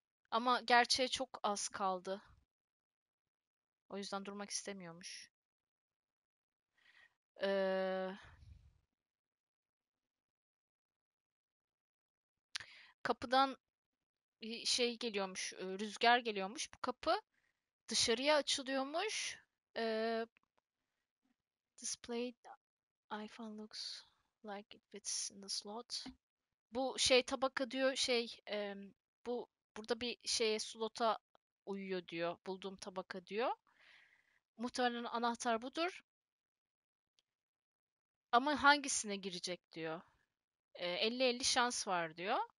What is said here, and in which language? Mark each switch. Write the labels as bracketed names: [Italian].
[Turkish] Ama gerçeğe çok az kaldı. O yüzden durmak istemiyormuş. Kapıdan bir şey geliyormuş, rüzgar geliyormuş. Bu kapı dışarıya açılıyormuş. [English] Display iPhone looks like it fits in the slot. [Turkish] Bu şey tabaka diyor, şey bu burada bir şeye slota uyuyor diyor. Bulduğum tabaka diyor. Muhtemelen anahtar budur. Ama hangisine girecek diyor. 50-50 şans var diyor.